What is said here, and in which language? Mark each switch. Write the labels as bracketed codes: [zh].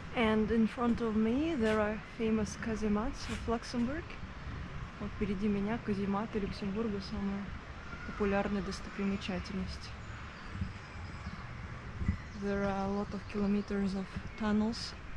[en] And in front of me there are famous casemates of Luxembourg. [ru] Вот впереди меня казематы Люксембурга, самая популярная достопримечательность. [en] There are a lot of kilometers of tunnels.